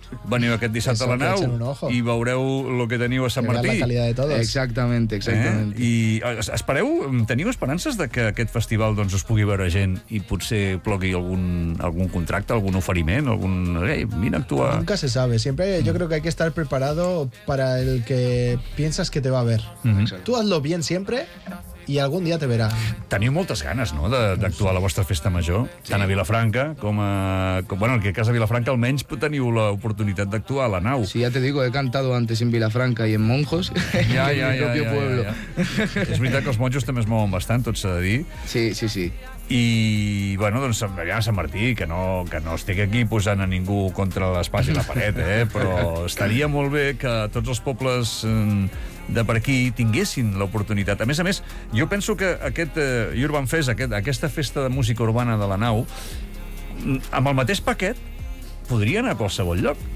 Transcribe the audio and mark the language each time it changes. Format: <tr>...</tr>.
<ca>Veniu aquest dissabte a la nau i veureu el que teniu a Sant Martí.</ca> <es>La calidad de todos. Exactamente, exactamente.</es> <ca>I espereu, teniu esperances de que aquest festival doncs, us pugui veure gent i potser plogui algun contracte, algun oferiment, algun... Ei, vine a actuar.</ca> <es>Nunca se sabe. Siempre yo creo que hay que estar preparado para el que piensas que te va a ver. Tú hazlo bien siempre...</es> <ca>i algun dia te verà. Teniu moltes ganes, no?, d'actuar a la vostra Festa Major, sí. Tant a Vilafranca com a... Bueno, en aquest cas a Vilafranca almenys teniu l'oportunitat d'actuar a la nau.</ca> <es>Sí, ja te digo, he cantado antes en Vilafranca i en Monjos, pueblo.</es> <ca>Ja. És veritat que els monjos també es mouen bastant, tot s'ha de dir. Sí, sí, sí. I, bueno, doncs allà a Sant Martí, que no estic aquí posant a ningú contra l'espai i la paret, però estaria molt bé que tots els pobles... de per aquí tinguessin l'oportunitat. A més, jo penso que aquest Urban Fest, aquesta festa de música urbana de la nau, amb el mateix paquet, podria anar a qualsevol lloc.</ca>